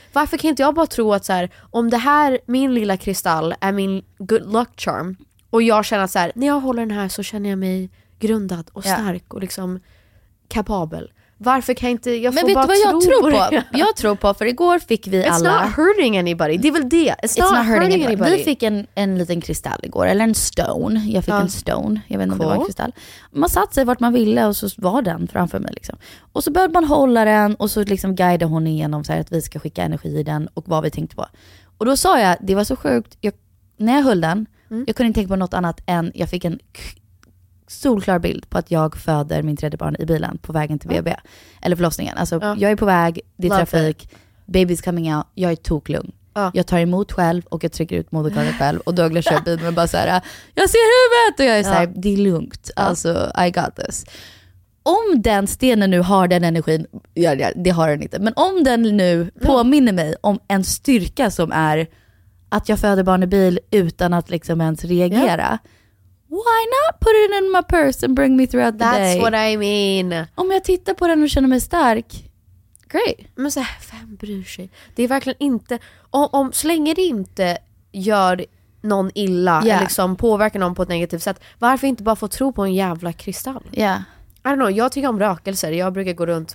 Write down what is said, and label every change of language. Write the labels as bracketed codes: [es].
[sv] Varför kan inte jag bara tro att så här, om det här, min lilla kristall är min [en] good luck charm, [sv] och jag känner att så här, när jag håller den här så känner jag mig grundad och stark och liksom kapabel. Varför kan inte jag men får bara vad jag tror på? Jag tror på, för igår fick vi [en] it's [sv] alla [en] it's not hurting anybody. [sv] Det är väl det. [en] It's not hurting anybody. [sv] Vi fick en liten kristall igår, eller en stone. Jag fick en stone. Jag vet inte om det var en kristall. Man satt sig vart man ville och så var den framför mig liksom. Och så började man hålla den och så liksom guidade hon igenom så här att vi ska skicka energi i den och vad vi tänkte på. Och då sa jag, det var så sjukt, jag, när jag höll den, jag kunde inte tänka på något annat än jag fick en solklar bild på att jag föder min tredje barn i bilen på vägen till BB. Eller förlossningen. Alltså, jag är på väg, det är trafik, [en] baby's coming out, [sv] jag är toklugn. Jag tar emot själv och jag trycker ut moderkakan själv. Och Douglas kör bilen och bara så här, jag ser huvudet! Och jag är så här, det är lugnt. Alltså, [en] I got this. [sv] Om den stenen nu har den energin, ja, det har den inte. Men om den nu påminner mig om en styrka som är att jag föder barn i bil utan att liksom ens reagera. [en] Why not put it in my purse and bring me throughout the day? That's what I mean. [sv] Om jag tittar på den och känner mig stark. [en] Great. [sv] Men så här, vem bryr sig? Det är verkligen inte... Om, så länge det inte gör någon illa eller liksom påverkar någon på ett negativt sätt. Varför inte bara få tro på en jävla kristall? Ja. [en] I don't know, [sv] jag tycker om rökelser. Jag brukar gå runt